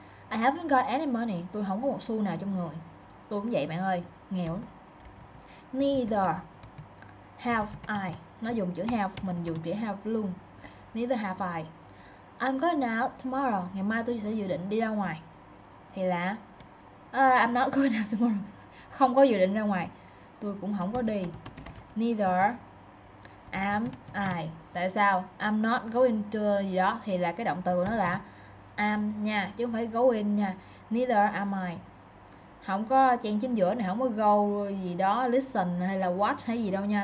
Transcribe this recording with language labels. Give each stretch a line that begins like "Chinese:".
English: I haven't got any money.
Vietnamese: Tôi không có một xu nào trong người. Tôi cũng vậy bạn ơi, nghèo.
English: Neither have I.
Vietnamese: Nó dùng chữ have, mình dùng chữ have luôn. Neither have I.
English: I'm going out tomorrow.
Vietnamese: Ngày mai tôi sẽ dự định đi ra ngoài. Thì là
English: I'm not going out tomorrow.
Vietnamese: Không có dự định ra ngoài. Tôi cũng không có đi.
English: Neither am I.
Vietnamese: Tại sao?
English: I'm not going to
Vietnamese: gì đó. Thì là cái động từ của nó là am nha, chứ không phải going nha.
English: Neither am I.
Vietnamese: Không có chen chính giữa này, không có go gì đó, listen hay là what hay gì đâu nha.